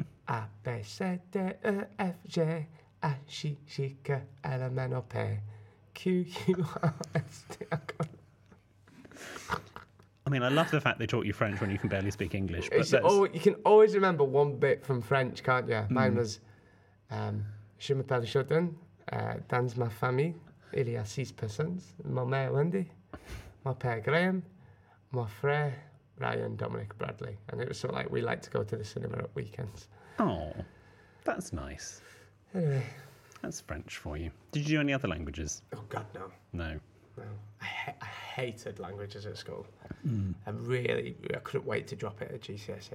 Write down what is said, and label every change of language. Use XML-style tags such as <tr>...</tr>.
<en>A, B, C, D, E, F, G, H, I, J, K, L, M, N, O, P, Q, U, R, S, T, I mean, I love the fact they taught you French when you can barely speak English. You can always remember one bit from French, can't you?</en> <fr>Mine was, Je m'appelle Jordan, dans ma famille, il y a six personnes, ma mère Wendy, ma père Graham, ma frère Ryan Dominic Bradley.</fr> <en>And it was sort of like, we like to go to the cinema at weekends. Oh, that's nice. Anyway. That's French for you. Did you do any other languages? Oh, God, no. No. No. I hated languages at school. Mm. I couldn't wait to drop it at GCSE.</en>